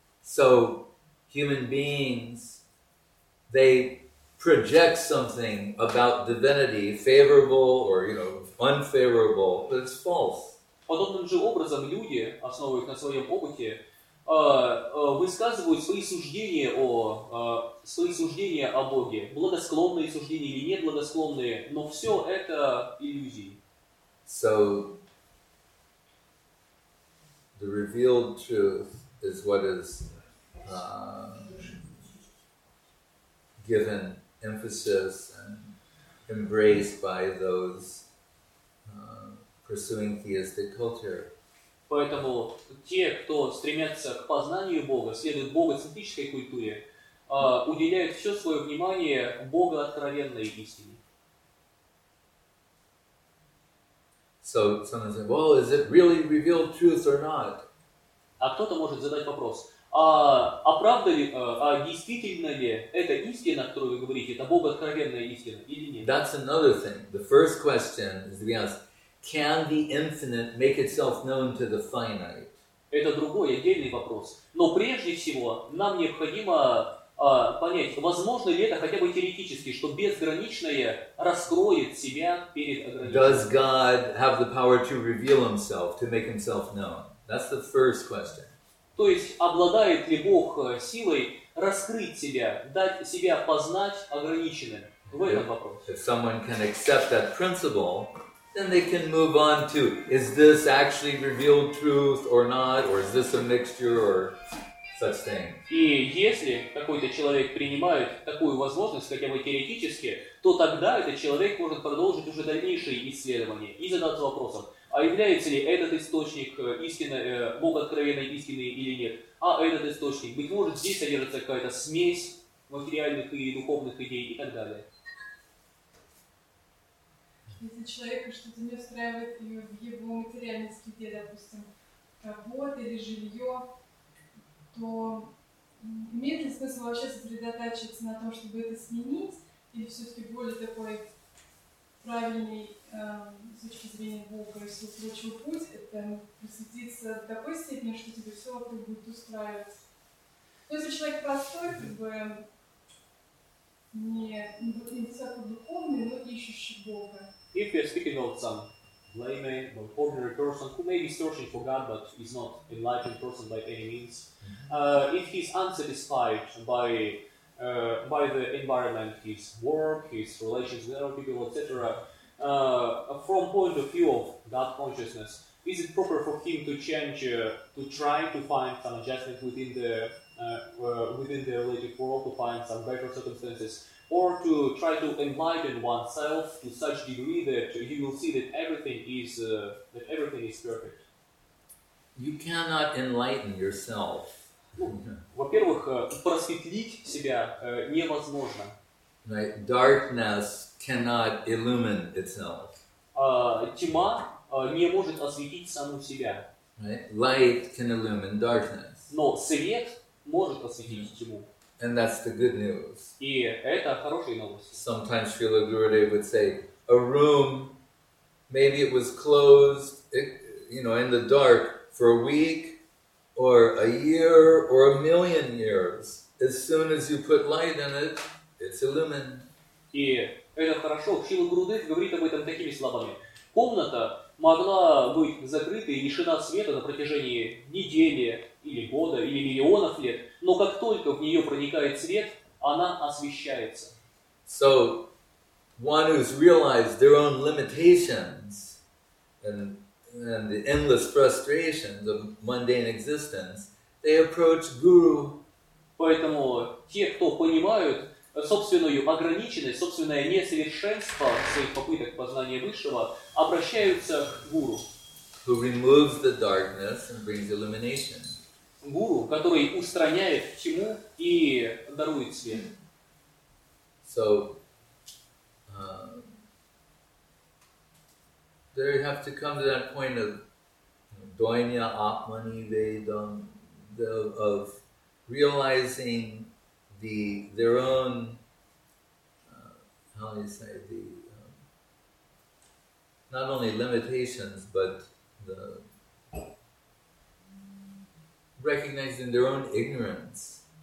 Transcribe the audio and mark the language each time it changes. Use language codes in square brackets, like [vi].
[en] So, human beings, they project something about divinity, favorable or, you know, unfavorable, but it's false. [ru] Подобным же образом люди, основываясь на своем опыте, высказывают свои суждения о Боге, благосклонные суждения или неблагосклонные, но все это иллюзии. [en] So, the revealed truth is what is given emphasis and embraced by those pursuing theistic culture. [ru] Поэтому те, кто стремятся к познанию Бога, следуют богоцентрической культуре, уделяют все свое внимание богооткровенной истине. [en] So, someone said, well, is it really revealed truth or not? [ru] А кто-то может задать вопрос, а действительно ли это истина, о которой вы говорите, это богооткровенная истина или нет? [en] That's another thing. The first question is to be honest. Can the infinite make itself known to the finite? [ru] Это другой отдельный вопрос. Но прежде всего нам необходимо понять, возможно ли это хотя бы теоретически, что безграничное раскроет себя перед ограниченным. [en] Does God have the power to reveal himself, to make himself known? That's the first question. [ru] То есть обладает ли Бог силой раскрыть себя, дать себя познать ограниченным? В этом вопрос. [en] If someone can accept that principle, then they can move on to, is this actually revealed truth or not, or is this a mixture or such thing? [ru] И если какой-то человек принимает такую возможность, хотя бы теоретически, то тогда этот человек может продолжить уже дальнейшие исследования и задаться вопросом, а является ли этот источник истинной, богооткровенной истины или нет? А этот источник, быть может, здесь содержится какая-то смесь материальных и духовных идей и так далее. Если человека что-то не устраивает в его материальной среде, допустим, работа или жилье, то Имеет ли смысл вообще сосредотачиваться на том, чтобы это сменить, или все-таки более такой правильный с точки зрения Бога и всего прочего путь, это просветиться до такой степени, что тебе все вокруг будет устраивать. Но если человек простой, как бы не всяко духовный, но ищущий Бога. [en] If you're speaking about some layman or ordinary person who may be searching for God but is not an enlightened person by any means, if he's unsatisfied by the environment, his work, his relations with other people, etc., from point of view of God consciousness, is it proper for him to change, to try to find some adjustment within the relative world, to find some better circumstances, or to try to enlighten oneself to such degree that you will see that everything is perfect? You cannot enlighten yourself. [ru] Во-первых, просветлить себя невозможно. [en] Right. Darkness cannot illumine itself. [ru] Тьма не может осветить саму себя. [en] Right. Light can illumine darkness. [ru] Но свет может осветить тьму. [en] And that's the good news. [ru] И это хорошая новость. [en] Sometimes Srila Gurudev would say, a room, maybe it was closed, in the dark for a week, or a year, or a million years. As soon as you put light in it, it's illumined. [ru] И это хорошо. Шрила Гурудев говорит об этом такими словами. Комната могла быть закрыта и лишена света на протяжении недели, или года, или миллионов лет, но как только в нее проникает свет, она освещается. [en] So, one who's realized their own limitations and the endless frustrations of mundane existence, they approach Guru. [ru] Поэтому те, кто понимают собственную ограниченность, собственное несовершенство своих попыток познания Высшего, обращаются к Гуру. [en] Who removes the darkness and brings illumination. [ru] Гуру, который устраняет тьму и дарует свет. [en] So, there you have to come to that point of doinya atmani vedam, of realizing not only limitations, but the recognizing their own ignorance.